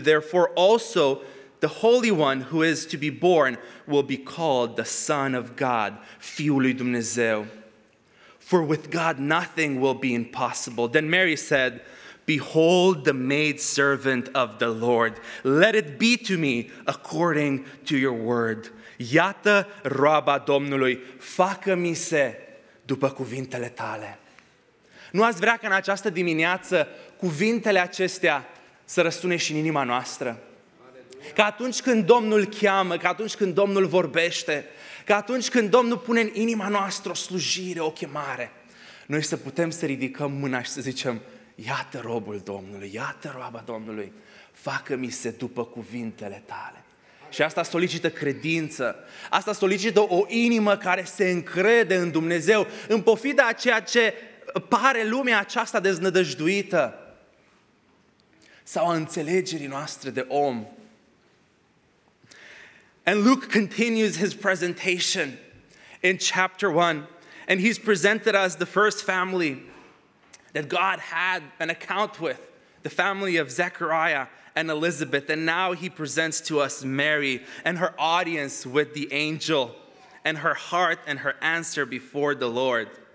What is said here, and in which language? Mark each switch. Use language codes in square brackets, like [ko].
[en] Therefore, also the Holy One who is to be born will be called the Son of God, [ro] Fiul lui Dumnezeu. [en] For with God nothing will be impossible." Then Mary said, "Behold the maidservant of the Lord. Let it be to me according to your word. [ro] Iată roaba Domnului, facă-mi se după cuvintele tale." Nu ați vrea ca în această dimineață cuvintele acestea să răsune și în inima noastră? Că atunci când Domnul cheamă, că atunci când Domnul vorbește, că atunci când Domnul pune în inima noastră o slujire, o chemare, noi să putem să ridicăm mâna și să zicem, "Iată robul Domnului, iată roaba Domnului, facă-mi se după cuvintele tale." Și asta solicită credință, asta solicită o inimă care se încrede în Dumnezeu, în pofida a ceea ce pare lumea aceasta deznădăjduită sau a înțelegerii noastre de om. [en] And Luke continues his presentation in chapter 1, and he's presented as the first family that God had an account with, the family of Zechariah and Elizabeth, and now he presents to us Mary and her audience with the angel and her heart and her answer before the Lord.